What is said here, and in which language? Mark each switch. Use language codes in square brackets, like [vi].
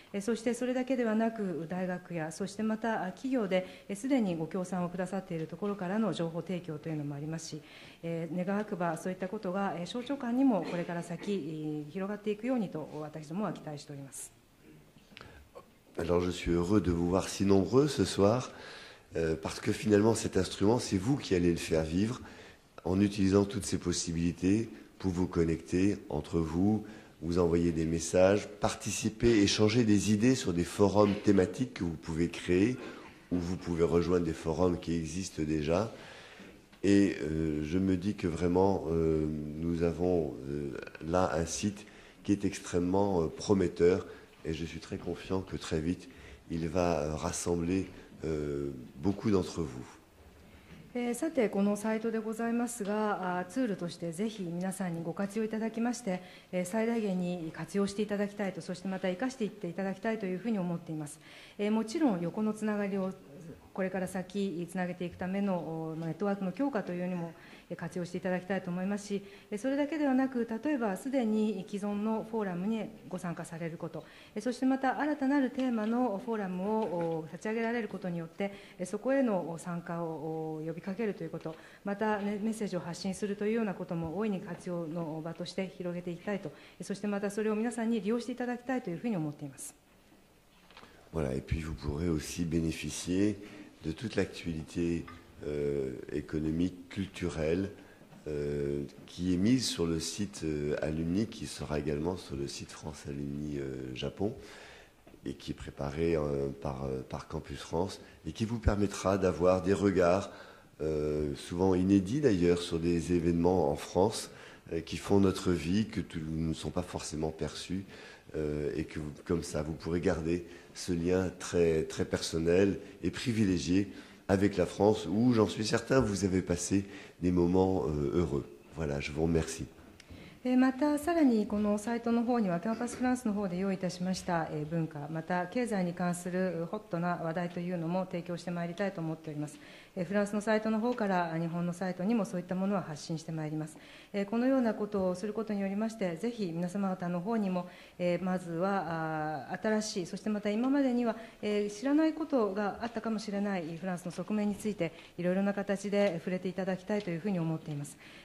[ja] そしてそれだけではなく、大学やそしてまた企業ですでにご協賛をくださっているところからの情報提供というのもありますし、願わくばそういったことが省庁間にもこれから先広がっていくようにと私どもは期待しております。 [fr] Alors, je suis heureux de vous voir si nombreux ce soir, parce que finalement cet instrument c'est vous qui allez le faire vivre en utilisant toutes ces possibilités pour vous connecter entre vous, vous envoyer des messages, participer, échanger des idées sur des forums thématiques que vous pouvez créer ou vous pouvez rejoindre des forums qui existent déjà. Et je me dis que vraiment, nous avons là un site qui est extrêmement prometteur et je suis très confiant que très vite, il va rassembler beaucoup d'entre vous. [ja] さて、このサイトでございますが、ツールとしてぜひ皆さんにご活用いただきまして、最大限に活用していただきたいと、そしてまた生かしていっていただきたいというふうに思っています。もちろん横のつながりをこれから先つなげていくためのネットワークの強化というにも活用していただきたいと思いますし、それだけではなく、例えばすでに既存のフォーラムにご参加されること、そしてまた新たなるテーマのフォーラムを立ち上げられることによって、そこへの参加を呼びかけるということ、またメッセージを発信するというようなことも大いに活用の場として広げていきたいと、そしてまたそれを皆さんに利用していただきたいというふうに思っています。 [fr] Voilà, et puis vous pourrez aussi bénéficier de toute l'actualité économique, culturelle, qui est mise sur le site Alumni, qui sera également sur le site France Alumni Japon, et qui est préparé par Campus France, et qui vous permettra d'avoir des regards, souvent inédits d'ailleurs, sur des événements en France, qui font notre vie, que ne sont pas forcément perçus, et que vous, comme ça, vous pourrez garder ce lien très, très personnel et privilégié avec la France, où, j'en suis certain, vous avez passé des moments heureux. Voilà, je vous remercie. [ja] またさらにこのサイトの方にはキャンパスフランスの方で用意いたしました文化また経済に関するホットな話題というのも提供してまいりたいと思っております。フランスのサイトの方から日本のサイトにもそういったものは発信してまいります。このようなことをすることによりましてぜひ皆様方の方にもまずは新しいそしてまた今までには知らないことがあったかもしれないフランスの側面についていろいろな形で触れていただきたいというふうに思っています。